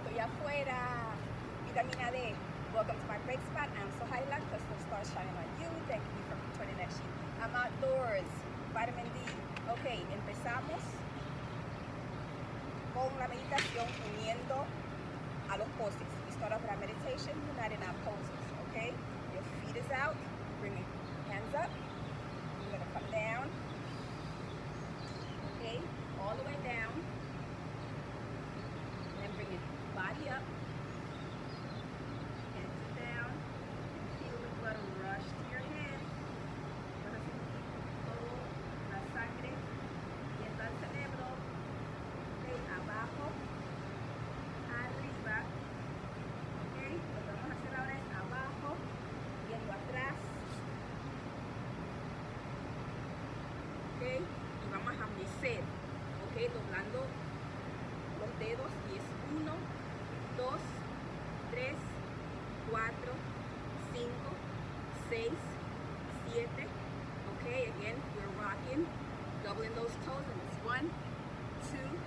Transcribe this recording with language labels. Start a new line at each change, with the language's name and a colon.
Spanish: Estoy afuera. Vitamina D.
English: Welcome to my break spot. I'm Sohaila, crystal star shining on you. Thank you for returning that sheet. I'm outdoors. Vitamin D.
Spanish: Ok, empezamos con la meditación uniendo a los poses.
English: We start off with our meditation, uniting our poses. Ok, your feet is out. Bring your hands up. You're going to come down. Okay, all the way down, and then bring your body up, hands down, and feel the blood rush to your hands.
Spanish: Vas a sentir todo la sangre yendo al cerebro, okay, abajo, arriba, okay, lo que vamos a hacer ahora es abajo, yendo atrás, okay. Vamos a mecer, ok, doblando los dedos y es 1, 2, 3, 4, 5, 6, 7, ok,
English: again, we're rocking, doubling those toes and it's 1, 2,